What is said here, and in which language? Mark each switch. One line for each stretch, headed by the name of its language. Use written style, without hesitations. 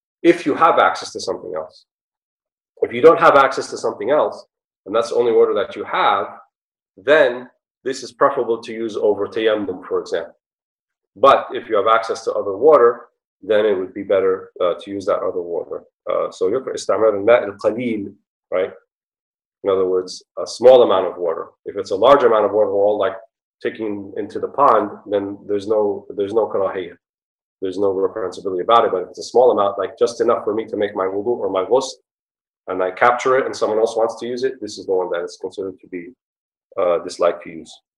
English: If you have access to something else. If you don't have access to something else, and that's the only water that you have, then this is preferable to use over tayammum, for example. But if you have access to other water, then it would be better to use that other water.
Arabic: So يُكْرَ إِسْتَعْمَلُ الْمَاءِ الْقَلِيلِ,
English: right? In other words, a small amount of water. If it's a large amount of water, all like taking into the pond, then there's no كَرَاهِيَة. there's no responsibility about it. But if it's a small amount, like just enough for me to make my wudu or my ghusl, and I capture it and someone else wants to use it, this is the one that is considered to be disliked to use.